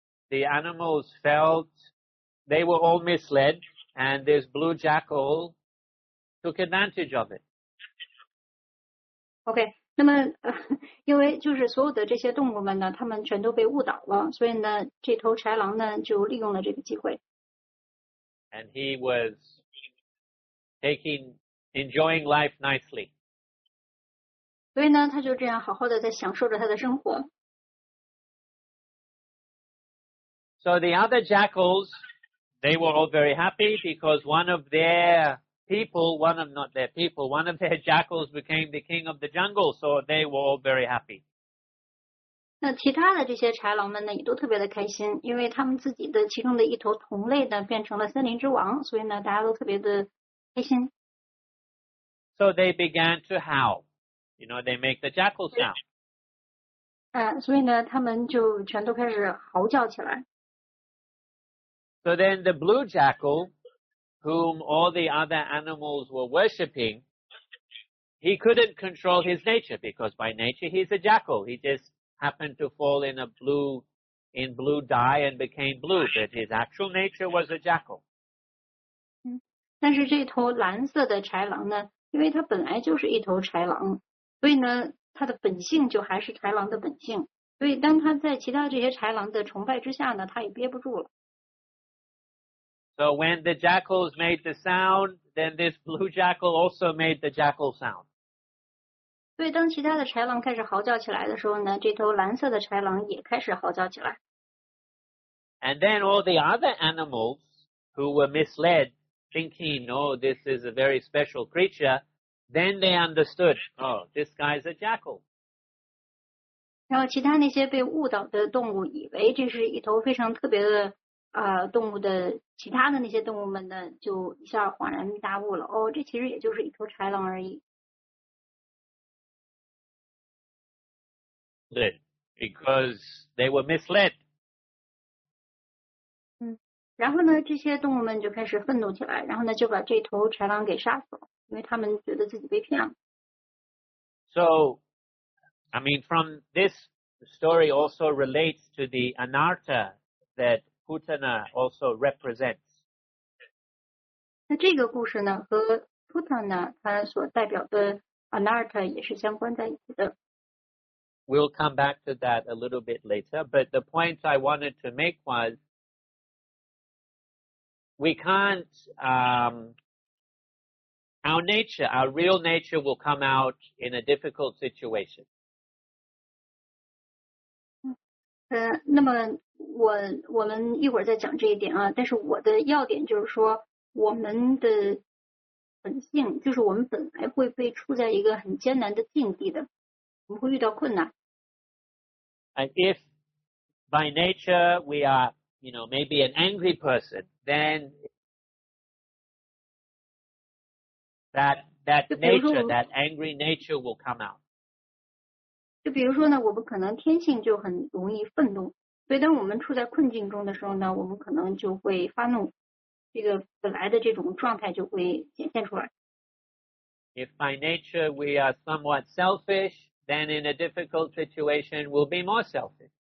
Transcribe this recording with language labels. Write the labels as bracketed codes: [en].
[en] The animals felt they were all misled, and this blue jackal took advantage of it. [zh] Okay, 那么因为就是所有的这些动物们呢，他们全都被误导了，所以呢，这头豺狼呢就利用了这个机会。 [en] And he was taking. Enjoying life nicely. [zh] 所以呢，他就这样好好的在享受着他的生活。 [en] So the other jackals, they were all very happy because one of their people, one of not their people, one of their jackals became the king of the jungle, so they were all very happy. [zh] 那其他的这些豺狼们呢，也都特别的开心，因为他们自己的其中的一头同类呢，变成了森林之王，所以呢，大家都特别的开心。 [en] So they began to howl. You know, they make the jackal sound. [zh] 所以呢，他们就全都开始嚎叫起来。 [en] So then the blue jackal, whom all the other animals were worshipping, he couldn't control his nature because by nature he's a jackal. He just happened to fall in a blue, in blue dye and became blue, but his actual nature was a jackal. [zh] 但是这头蓝色的豺狼呢，因为它本来就是一头豺狼，所以呢，它的本性就还是豺狼的本性。所以当它在其他这些豺狼的崇拜之下呢，它也憋不住了。 [en] So when the jackals made the sound, then this blue jackal also made the jackal sound. [zh] 所以当其他的豺狼开始嚎叫起来的时候呢，这头蓝色的豺狼也开始嚎叫起来。 [en] And then all the other animals who were misled, thinking, oh, this is a very special creature, then they understood, oh, this guy's a jackal. [zh] 然后其他那些被误导的动物以为这是一头非常特别的动物的其他的那些动物们呢，就一下恍然大悟了。哦，这其实也就是一头豺狼而已。 [en] Misled, because they were misled. [zh] 然后呢，这些动物们就开始愤怒起来，然后呢，就把这头豺狼给杀死了，因为他们觉得自己被骗了。 [en] So, I mean, from this story also relates to the anarta that. Putana also represents. [zh] 那这个故事呢，和 Putana 它所代表的 Anarta 也是相关在一起的。 [en] We'll come back to that a little bit later, but the point I wanted to make was, we can't, our nature, our real nature will come out in a difficult situation. [zh] 那么我们一会儿再讲这一点啊，但是我的要点就是说，我们的本性就是我们本来会被处在一个很艰难的境地的，我们会遇到困难。 [en] And if by nature we are, you know, maybe an angry person, then that nature, that angry nature will come out. [zh] 就比如说呢，我们可能天性就很容易愤怒，所以当我们处在困境中的时候呢，我们可能就会发怒，这个本来的这种状态就会显现出来。 [en] If by nature we are somewhat selfish, then in a difficult situation we'll be more selfish.